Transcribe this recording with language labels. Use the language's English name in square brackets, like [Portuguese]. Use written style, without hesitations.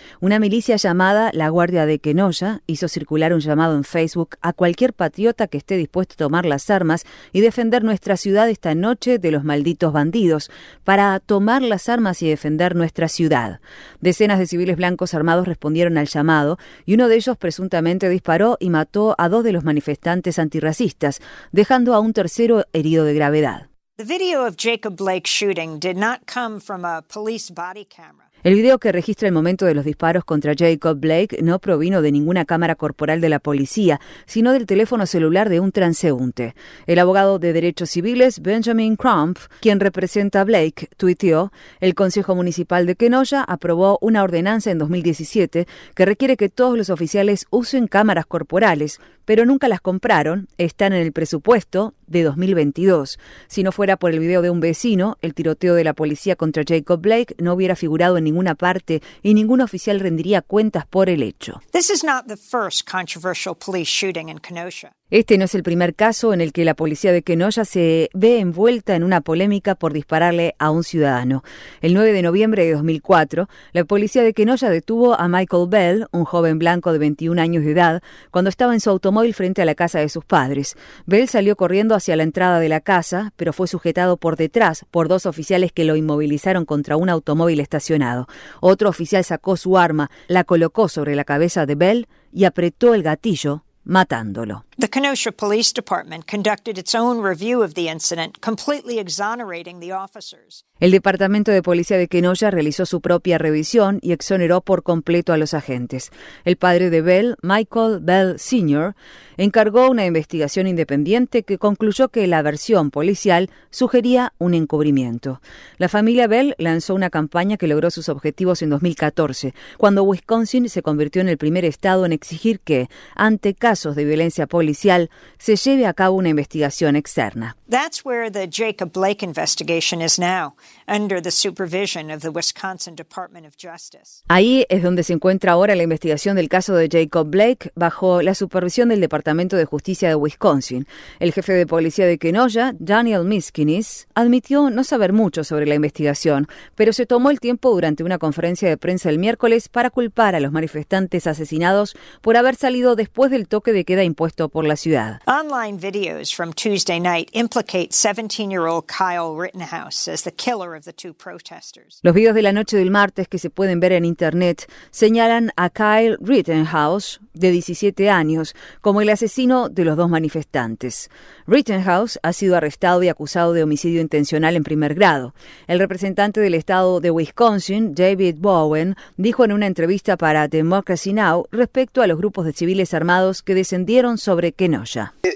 [Spanish] Una milicia llamada la Guardia de Kenosha hizo circular un llamado en Facebook a cualquier patriota que esté dispuesto a tomar las armas y defender nuestra ciudad esta noche de los malditos bandidos, para tomar las armas y defender nuestra ciudad. Decenas de civiles blancos armados respondieron al llamado y uno de ellos presuntamente disparó y mató a dos de los manifestantes antirracistas, dejando a un tercero herido de gravedad. [English] The video of Jacob Blake shooting did not come from a police body camera. [Spanish] El video que registra el momento de los disparos contra Jacob Blake no provino de ninguna cámara corporal de la policía, sino del teléfono celular de un transeúnte. El abogado de derechos civiles, Benjamin Crump, quien representa a Blake, tuiteó: el Consejo Municipal de Kenosha aprobó una ordenanza en 2017 que requiere que todos los oficiales usen cámaras corporales, pero nunca las compraron, están en el presupuesto de 2022. Si no fuera por el video de un vecino, el tiroteo de la policía contra Jacob Blake no hubiera figurado en ninguna parte y ningún oficial rendiría cuentas por el hecho. [English] This is not the first controversial police shooting in Kenosha. [Spanish] Este no es el primer caso en el que la policía de Kenosha se ve envuelta en una polémica por dispararle a un ciudadano. El 9 de noviembre de 2004, la policía de Kenosha detuvo a Michael Bell, un joven blanco de 21 años de edad, cuando estaba en su automóvil frente a la casa de sus padres. Bell salió corriendo hacia la entrada de la casa, pero fue sujetado por detrás por dos oficiales que lo inmovilizaron contra un automóvil estacionado. Otro oficial sacó su arma, la colocó sobre la cabeza de Bell y apretó el gatillo, matándolo. [English] The Kenosha Police Department conducted its own review of the incident, completely exonerating the officers. [Spanish] El Departamento de Policía de Kenosha realizó su propia revisión y exoneró por completo a los agentes. El padre de Bell, Michael Bell Sr., encargó una investigación independiente que concluyó que la versión policial sugería un encubrimiento. La familia Bell lanzó una campaña que logró sus objetivos en 2014, cuando Wisconsin se convirtió en el primer estado en exigir que, ante casos de violencia policial, se lleve a cabo una investigación externa. [English] That's where the Jacob Blake investigation is now, under the supervision of the Wisconsin Department of Justice. [Spanish] Ahí es donde se encuentra ahora la investigación del caso de Jacob Blake, bajo la supervisión del Departamento de Justicia de Wisconsin. El jefe de policía de Kenosha, Daniel Miskinis, admitió no saber mucho sobre la investigación, pero se tomó el tiempo durante una conferencia de prensa el miércoles para culpar a los manifestantes asesinados por haber salido después del toque de queda impuesto por la ciudad. [English] Online videos from Tuesday night implicate 17-year-old Kyle Rittenhouse as the killer of the two protesters. [Spanish] Los videos de la noche del martes que se pueden ver en internet señalan a Kyle Rittenhouse, de 17 años, como el asesino de los dos manifestantes. Rittenhouse ha sido arrestado y acusado de homicidio intencional en primer grado. El representante del estado de Wisconsin, David Bowen, dijo en una entrevista para Democracy Now respecto a los grupos de civiles armados que descendieron sobre Kenosha.